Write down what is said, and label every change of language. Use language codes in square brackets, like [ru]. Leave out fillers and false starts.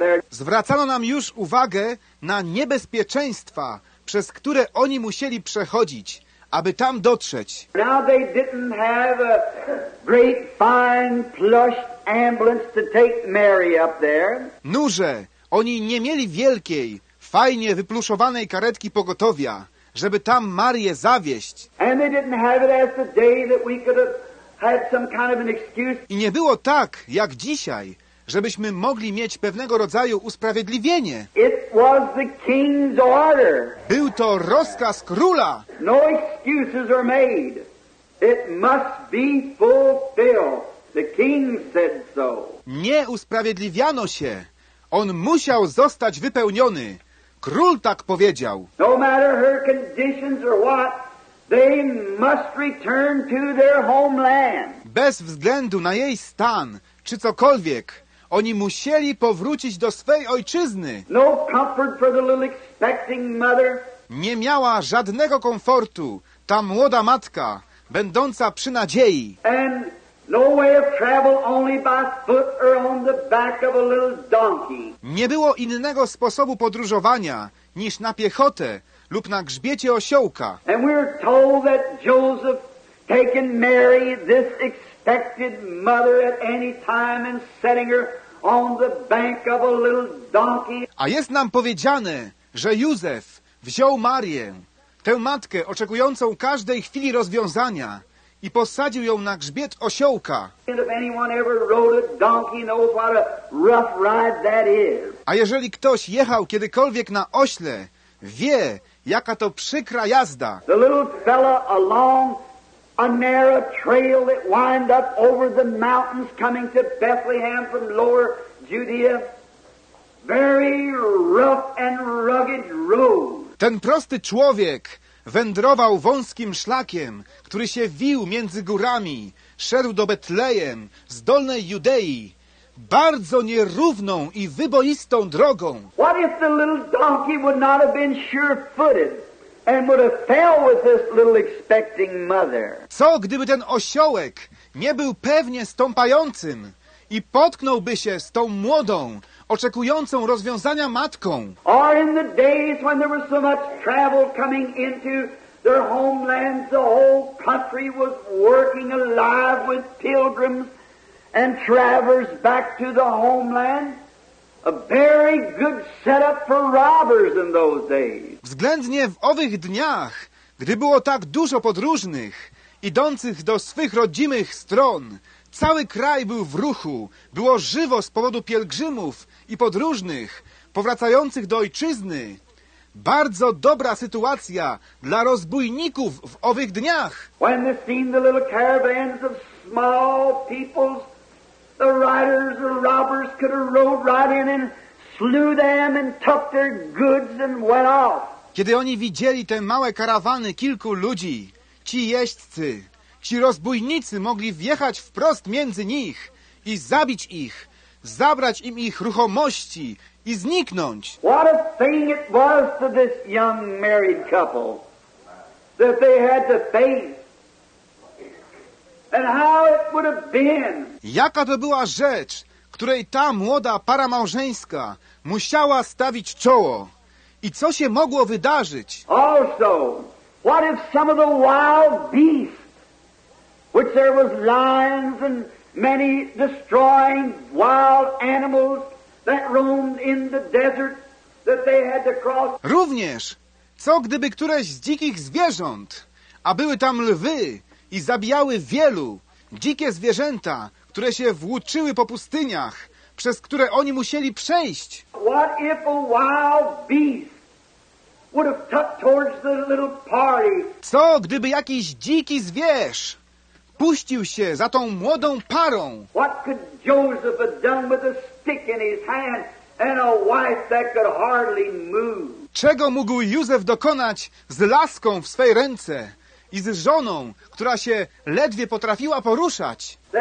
[pl] Zwracano nam już uwagę na niebezpieczeństwa, przez które oni musieli przechodzić, aby tam dotrzeć. [en] Now they didn't have a great fine plush ambulance to take Mary up there. [pl] Nuże, oni nie mieli wielkiej, fajnie wypluszowanej karetki pogotowia, żeby tam Marię zawieźć. [en] And they didn't have it as the day that we could have had some kind of an excuse. [pl] I nie było tak, jak dzisiaj, żebyśmy mogli mieć pewnego rodzaju usprawiedliwienie. [en] It was the king's order. [pl] Był to rozkaz króla. [en] No excuses are made. It must be fulfilled. The king said so. [pl] Nie usprawiedliwiano się. On musiał zostać wypełniony. Król tak powiedział. [en] No matter her conditions or what, they must return to their homeland. [pl] Bez względu na jej stan, czy cokolwiek, oni musieli powrócić do swej ojczyzny. [en] No comfort for the little expecting mother. [pl] Nie miała żadnego komfortu ta młoda matka, będąca przy nadziei. [en] And no way of travel, only by foot or on the back of a little donkey. [pl] Nie było innego sposobu podróżowania niż na piechotę lub na grzbiecie osiołka. [en] And we're told that Joseph taken Mary, this expected mother, at any time and setting her on the bank of a little donkey. [pl] A jest nam powiedziane, że Józef wziął Marię, tę matkę oczekującą każdej chwili rozwiązania, i posadził ją na grzbiet osiołka. [en] If anyone ever rode a donkey, knows what a rough ride that is. [pl] A jeżeli ktoś jechał kiedykolwiek na ośle, wie, jaka to przykra jazda. [en] The little fella along a narrow trail that wound up over the mountains coming to Bethlehem from lower Judea. Very rough and rugged road. [pl] Ten prosty człowiek wędrował wąskim szlakiem, który się wił między górami, szedł do Betlejem z dolnej Judei, bardzo nierówną i wyboistą drogą. [en] What if the little donkey would not have been sure-footed? And would have fell with this little expecting mother. [pl] Co gdyby ten osiołek nie był pewnie stąpającym i potknąłby się z tą młodą, oczekującą rozwiązania matką? [en] Or in the days when there was so much travel coming into their homelands, the whole country was working alive with pilgrims and travelers back to the homeland. A very good setup for robbers in those days. [pl] Względnie w owych dniach, gdy było tak dużo podróżnych, idących do swych rodzimych stron, cały kraj był w ruchu, było żywo z powodu pielgrzymów i podróżnych, powracających do ojczyzny. Bardzo dobra sytuacja dla rozbójników w owych dniach. [en] When they seen the little caravans of small peoples, the riders or robbers could have rode right in and slew them and took their goods and went off. [pl] Kiedy oni widzieli te małe karawany kilku ludzi, ci jeźdźcy, ci rozbójnicy mogli wjechać wprost między nich i zabić ich, zabrać im ich ruchomości i zniknąć. [en] What a thing it was to this young married couple that they had to face. And how it would have been. [pl] Jaka to była rzecz, której ta młoda para małżeńska musiała stawić czoło? I co się mogło wydarzyć? [en] Also, what if some of the wild beasts, which there was lions and many destroying wild animals that roamed in the desert that they had to cross? [pl] Również, co gdyby któreś z dzikich zwierząt, a były tam lwy, i zabijały wielu dzikie zwierzęta, które się włóczyły po pustyniach, przez które oni musieli przejść. [en] What if a wild beast would have cut towards the little party? [pl] Co gdyby jakiś dziki zwierz puścił się za tą młodą parą? [en] What could Joseph have done with a stick in his hand and a wife that could hardly move? [pl] Czego mógł Józef dokonać z laską w swej ręce i z żoną, która się ledwie potrafiła poruszać.